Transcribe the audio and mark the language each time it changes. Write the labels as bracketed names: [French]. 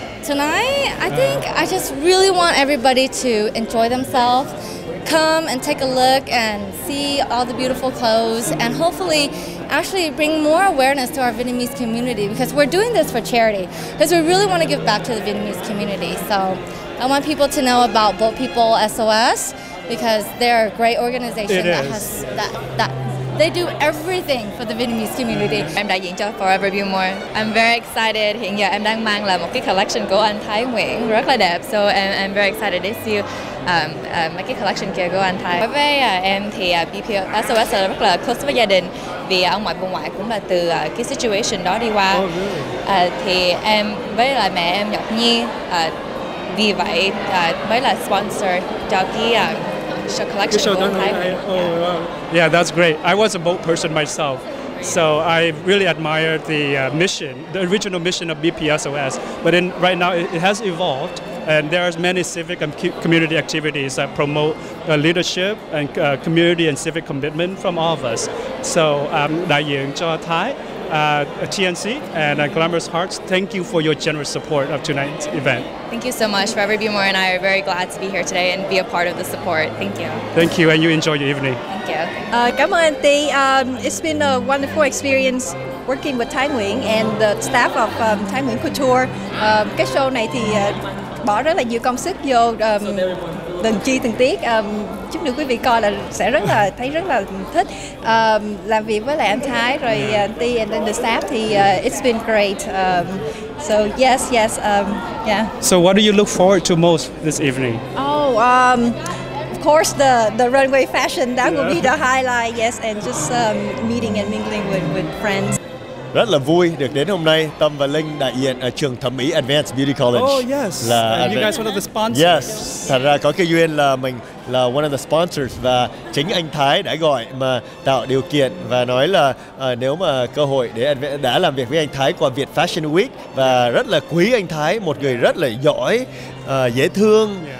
[English] Tonight, I think I just really want everybody to enjoy themselves, come and take a look and see all the beautiful clothes, and hopefully actually bring more awareness to our Vietnamese community, because we're doing this for charity, because we really want to give back to the Vietnamese community, so. I want people to know about Boat People SOS because they're a great organization that they do everything for the Vietnamese community. [Vietnamese] Em đại diện cho Forever Be More. [English] I'm very excited. [Vietnamese] Hiện giờ em đang mang là một cái collection của anh Thái Nguyễn rất là đẹp. [English] So I'm very excited to see my [Vietnamese] cái collection kia của anh Thái. Đối với em thì BPO SOS là rất là close với gia đình vì ông ngoại bà ngoại cũng là từ cái situation đó đi qua. [English] Oh, really? [Vietnamese] Thì em với lại mẹ em Ngọc Nhi. Vì vậy mới là sponsor cho cái show collection của Thái Nguyễn. [English] Yeah, that's great. I was a boat person myself, so I really admire the mission, the original mission of BPSOS. But then right now it has evolved, and there are many civic and community activities that promote leadership and community and civic commitment from all of us. So [Vietnamese] đại diện cho Thái, [English] TNC and Glamorous Hearts, thank you for your generous support of tonight's event. Thank you so much. Forever Be More and I are very glad to be here today and be a part of the support. Thank you. Thank you, and you enjoy your evening. Thank you. [Vietnamese] Cảm ơn anh Tý. [English] It's been a wonderful experience working with Thái Nguyễn and the staff of Thái Nguyễn Couture. [Vietnamese] Cái show này thì bỏ rất là nhiều công sức vô từng chi từng tiết. Chúc được quý vị coi là sẽ rất là thấy rất là thích làm việc với lại anh Thái rồi Tý [English] and then the staff [Vietnamese] thì [English] it's been great. So yes, yeah. So what do you look forward to most this evening? Oh, of course the runway fashion, that will be the highlight, yes, and just meeting and mingling with friends. [Vietnamese] Rất là vui được đến hôm nay, Tâm và Linh đại diện ở trường thẩm mỹ Advanced Beauty College. [English] Oh yes, là and you guys one of the sponsors. [Vietnamese] Yes, thật ra có cái duyên là mình là [English] one of the sponsors [Vietnamese] và chính anh Thái đã gọi mà tạo điều kiện và nói là nếu mà cơ hội để đã làm việc với anh Thái qua Việt Fashion Week và rất là quý anh Thái, một người rất là giỏi, dễ thương,